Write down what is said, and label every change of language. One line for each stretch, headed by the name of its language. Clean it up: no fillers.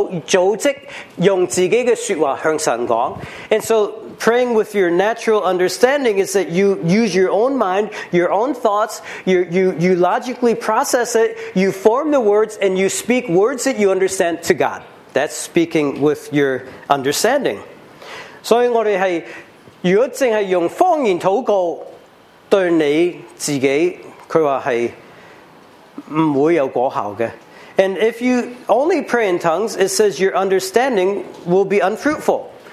Chinese: 用悟性祷告就是用你自己的说话,你自己的思维,你自己的逻辑,你经过你自己的组织,用自己的说话向神讲.
English: And so praying with your natural understanding is that you use your own mind, your own thoughts, you logically process it, you form the words, and you speak words that you understand to God. That's speaking with your understanding.
Chinese: 所以我们是,如果只是用方言祷告, 对你自己,他说是不会有果效的。
English: And if you only pray in tongues, it says your understanding will be unfruitful.